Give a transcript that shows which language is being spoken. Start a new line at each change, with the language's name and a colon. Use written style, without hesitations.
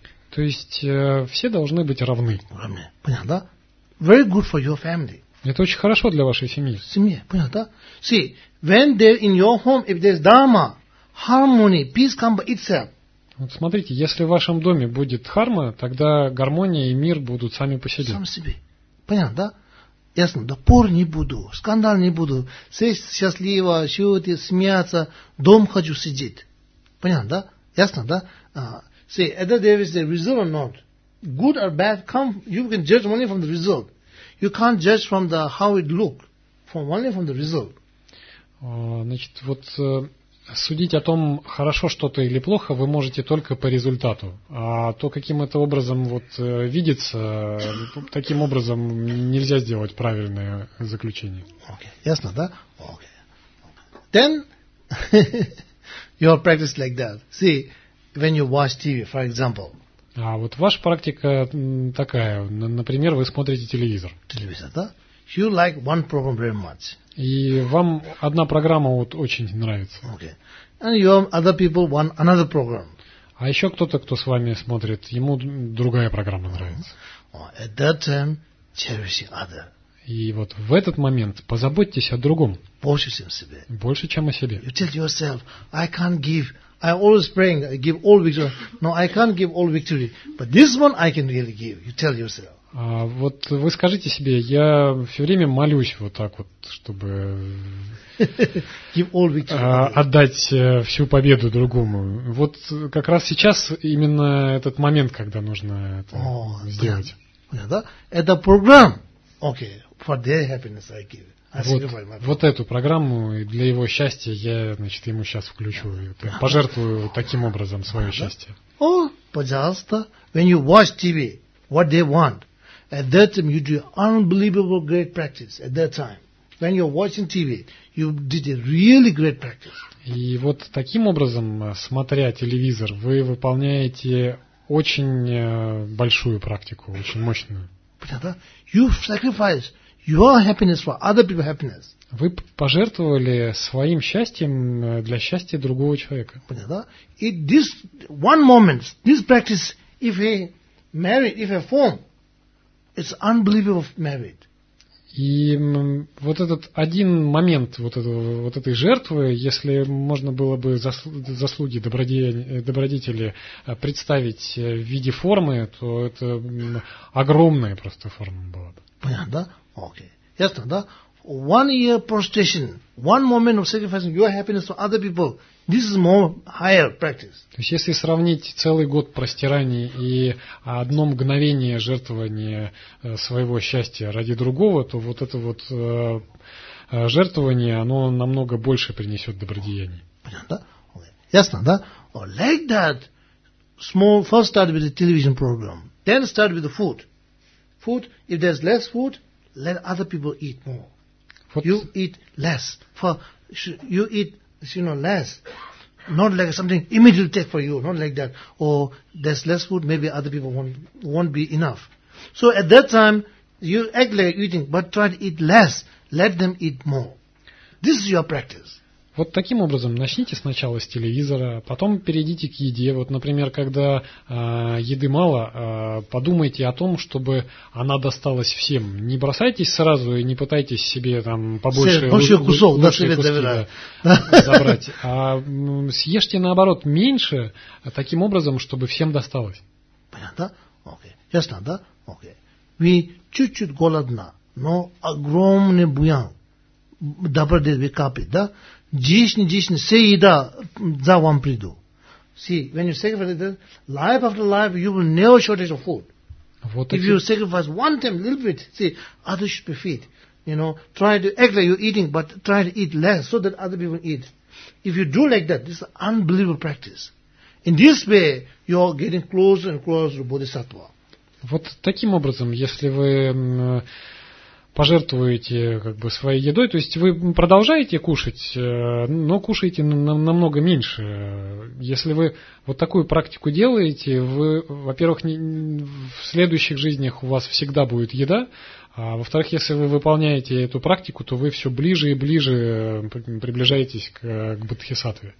Russian: То есть все должны быть равны. Равны. Понятно, да?
English: Very good for your family.
Russian: Это очень хорошо для вашей семьи. Семье, понятно, да?
English: See, when there in your home, if there's dharma, harmony, peace come by itself.
Russian: Вот смотрите, если в вашем доме будет харма, тогда гармония и мир будут сами по себе. Сами себе. Понятно, да? Ясно, да, пор не буду, скандал не буду, сесть счастливо, шутить, смеяться, дом хочу сидеть. Понятно, да? Ясно, да?
English: See, either there is a result or not. Good or bad, come, you can judge only from the result. You can't judge from the how it look, from only from the result.
Russian: Значит, вот судить о том, хорошо что-то или плохо, вы можете только по результату. А то, каким это образом вот видится, таким образом нельзя сделать правильное заключение.
English: Okay.
Russian: Ясно, да?
English: Okay. Then, your practice like that. See, when you watch TV, for example.
Russian: А вот ваша практика такая. Например, вы смотрите телевизор. Телевизор, да?
English: You like one program very much.
Russian: И вам одна программа вот очень нравится.
English: Okay. And you have other people want another program.
Russian: А еще кто-то, кто с вами смотрит, ему другая программа нравится.
English: Oh, at that time, cherish other.
Russian: И вот в этот момент позаботьтесь о другом. Больше, чем себе. Больше, чем о себе.
English: You tell yourself, I can't give. I always praying, I give all victory. No, I can't give all victory. But this one I can really give. You tell yourself.
Russian: А вот вы скажите себе, я все время молюсь вот так вот, чтобы отдать всю победу другому. Вот как раз сейчас именно этот момент, когда нужно это сделать. Это программа. Окей,
English: for their happiness I give.
Russian: Вот эту программу для его счастья я, значит, ему сейчас включу. Пожертвую таким образом свое счастье. О, пожалуйста,
English: when you watch TV, what they want. At that time, you do unbelievable great practice. At that time, when you're watching TV, you did a really great practice.
Russian: И вот таким образом, смотря телевизор, вы выполняете очень большую практику, очень мощную. Понятно?
English: You sacrifice your happiness for other people's happiness.
Russian: Вы пожертвовали своим счастьем для счастья другого человека. Понятно? И
English: this one moment, this practice, if a married, if a form. It's unbelievable merit.
Russian: И вот этот один момент вот, этого, вот этой жертвы, если можно было бы заслуги добродетели представить в виде формы, то это огромная просто форма была бы. Понятно, да? Окей. Okay. Ясно, да?
English: One year prostration, one moment of sacrificing your happiness for other people, this is more higher practice.
Russian: То есть, если сравнить целый год простираний и одно мгновение жертвования своего счастья ради другого, то вот это вот жертвование, оно намного больше принесет добродеяний. Понятно, да? Okay. Ясно, да?
English: Oh, like that, small, first start with the television program, then start with the food. Food, if there's less food, let other people eat more. You eat less. For you eat, you know, less. Not like something immediately take for you. Not like that. Or there's less food. Maybe other people won't be enough. So at that time, you act like eating, but try to eat less. Let them eat more. This is your practice.
Russian: Вот таким образом начните сначала с телевизора, потом перейдите к еде. Вот, например, когда еды мало, подумайте о том, чтобы она досталась всем. Не бросайтесь сразу и не пытайтесь себе там забрать. А съешьте наоборот меньше, таким образом, чтобы всем досталось. Понятно? Окей. Ясно, да? Окей. Вы чуть-чуть голодна, но огромный буян. Добродет вы капит, да? Дичь, все еда за вам приду.
English: See, when you sacrifice, life after life, you will never shortage of food.
Russian: Вот
English: if you sacrifice one time, a little bit, see, others should be fed. You know, try to act like you're eating, but try to eat less so that other people eat. If you do like that, this is an unbelievable practice. In this way, you're getting closer and closer to Bodhisattva.
Russian: Вот таким образом, если вы пожертвуете как бы своей едой, то есть вы продолжаете кушать, но кушаете намного меньше. Если вы вот такую практику делаете, вы, во-первых, в следующих жизнях у вас всегда будет еда, а во-вторых, если вы выполняете эту практику, то вы все ближе и ближе приближаетесь к бодхисаттве.